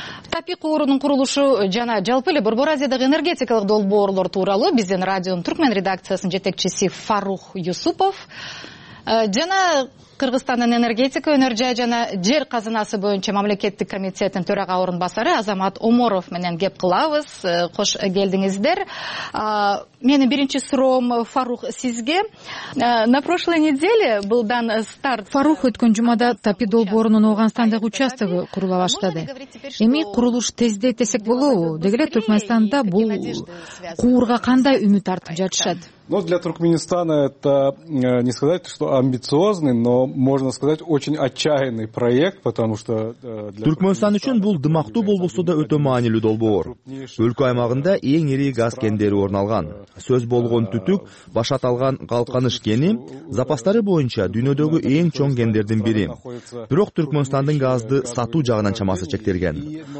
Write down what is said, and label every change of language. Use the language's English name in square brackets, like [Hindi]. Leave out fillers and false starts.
[Kyrgyz] Тапи куурунун курулушу жана жалпы эле Борбор Азиядагы энергетикалык долбоорлор тууралуу биздин радионун Түркмен редакциясынын жетекчиси Фарух Юсупов жана Кыргызстандын энергетика, өнөр жай жана жер казынасы боюнча мамлекеттик комитеттин төрага орун басары Азамат Оморов менен кеп кылабыз. Кош келдиңиздер. Менин биринчи суроом Фарух сизге. [Russian] На прошлой неделе был дан старт. [Kyrgyz] Фарух, өткөн жумада Тапи долбоорунун Ооганстандагы участогу курула баштады. Эми курулуш тездейт десек болобу? Деги эле Түркмөнстанда бул куурга кандай үмүт артып жатышат? [Russian] Но для Туркменистана это не сказать, что амбициозный, но можно сказать очень отчаянный проект, потому что [Kyrgyz] Туркменистан үчүн бул дымактуу болбосо да өтө маанилүү долбоор. Өлкө аймагында эң ири газ кендери орналган. Сөз болгон түтүк баш аталган Калканыш кени запастары боюнча дүйнөдөгү эң чоң кендердин бири. Бирок Туркменистандын газды сатуу жагынан чамасы чектелген.